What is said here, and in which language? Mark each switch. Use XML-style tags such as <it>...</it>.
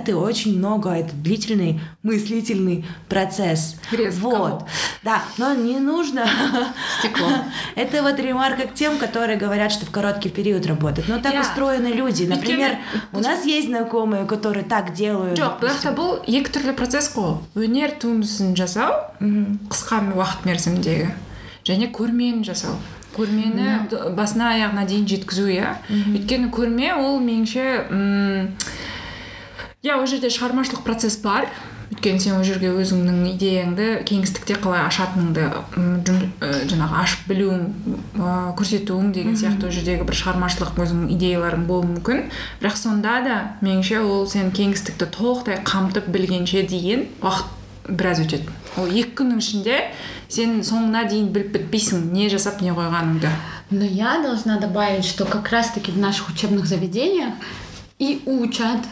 <ru>Ты очень много, это длительный мыслительный процесс. Резко. Вот. Да, но не нужно. Стекло. Это вот ремарка к тем, которые говорят, что в короткий период работают. Но так устроены люди. Например, у нас есть знакомые, которые так делают.</ru> <kk>Жоқ, бірақ та бұл екі түрлі процесс қой. Өнер туындысын жасау, қысқа уақыт мерзімдегі. Және көрмені жасау. Көрмені басына аяғына дейін жеткізу, иә. Өйткені көрме ол меніңше Я ол жерде шығармашылық процесс бар. Өйткені сен ол жерге өзіңнің идеяңды кеңістікте қалай ашатыныңды жаңағы ашып білуің, көрсетуің деген сияқты ол жердегі бір шығармашылық өзіңнің идеяларың болуы мүмкін. Бірақ сонда да меніңше ол сен кеңістікті толықтай қамтып білгенше дейін уақыт біраз өтеді. Ол 2 күннің ішінде сен соңына дейін біліп бітпейсің не жасап, не қойғаныңды.</kk> <ru>Но я должна добавить, что как раз-таки в наших учебных заведениях и учат</ru>